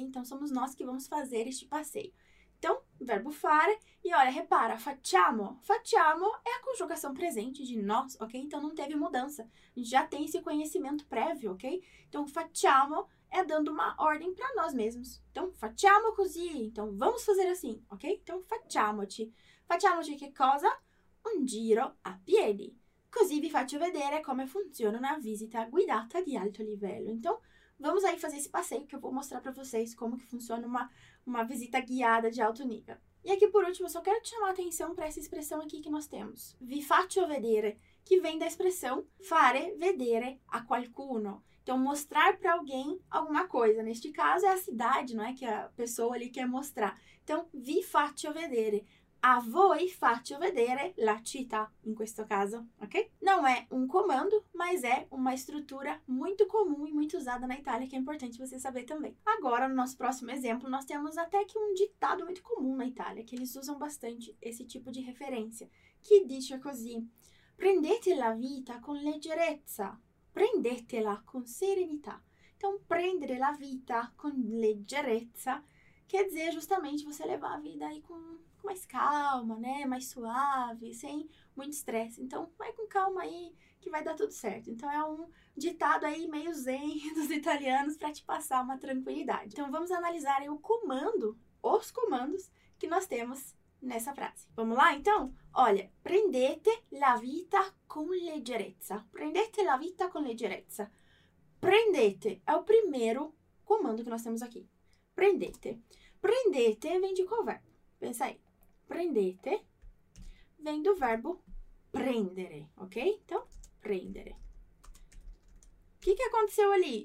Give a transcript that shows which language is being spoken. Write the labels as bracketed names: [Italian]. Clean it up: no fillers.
[Portuguese] Então, somos nós que vamos fazer este passeio. Então, verbo fare, e olha, repara, facciamo. Facciamo é a conjugação presente de nós, ok? Então não teve mudança. A gente já tem esse conhecimento prévio, ok? Então, facciamo é dando uma ordem para nós mesmos. Então, [Italian] facciamo così. [Portuguese] Então, vamos fazer assim, ok? [Italian] Então, facciamoci. Facciamoci che cosa? Un giro a piedi. Così vi faccio vedere come funziona una visita guidata di alto livello. [Portuguese] Então, vamos aí fazer esse passeio que eu vou mostrar para vocês como que funciona uma visita guiada de alto nível. E aqui, por último, só quero te chamar a atenção para essa expressão aqui que nós temos. [Italian] Vi faccio vedere, [Portuguese] que vem da expressão [Italian] fare vedere a qualcuno. [Portuguese] Então, mostrar para alguém alguma coisa. Neste caso, é a cidade, não é? Que a pessoa ali quer mostrar. Então, [Italian] vi faccio vedere. a voi faccio vedere la città, in questo caso, ok? [Portuguese] Não é um comando, mas é uma estrutura muito comum e muito usada na Itália, que é importante você saber também. Agora, no nosso próximo exemplo, nós temos até que um ditado muito comum na Itália, que eles usam bastante esse tipo de referência, que diz così: [Italian] prendete la vita con leggerezza, prendetela con serenità. [Portuguese] Então, [Italian] prendere la vita con leggerezza [Portuguese] quer dizer justamente você levar a vida aí com mais calma, né? Mais suave, sem muito estresse. Então, vai com calma aí que vai dar tudo certo. Então, é um ditado aí meio zen dos italianos para te passar uma tranquilidade. Então, vamos analisar aí o comando, os comandos que nós temos nessa frase. Vamos lá, então? [Italian] Olha, prendete la vita con leggerezza. Prendete la vita con leggerezza. [Portuguese] Prendete é o primeiro comando que nós temos aqui. Prendete. Prendete vem de qual verbo? Pensa aí. Prendete vem do verbo prendere, ok? Então, prendere. O que aconteceu ali?